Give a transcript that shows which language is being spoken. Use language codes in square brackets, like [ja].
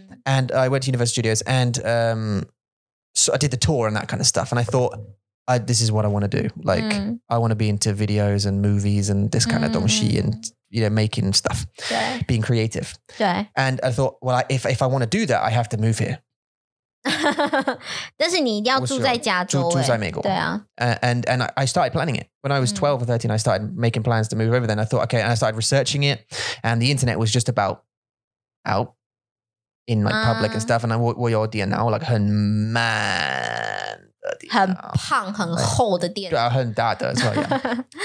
[en] And I went to Universal Studios and so I did the tour and that kind of stuff. And I thought, this is what I want to do. Like, I want to be into videos and movies and this kind of 东西 and... you know, making stuff, being creative. And I thought, well, if I want to do that, I have to move here. [zh] 但是你一定要住在加州。住在美国。 [en] And I started planning it. When I was 12 or 13, I started making plans to move over there. And I thought, okay, and I started researching it. And the internet was just about out in like public and stuff. And I was your dear now, like [zh] 很慢的电脑。很胖,很厚的电脑。很大的, [en] so yeah.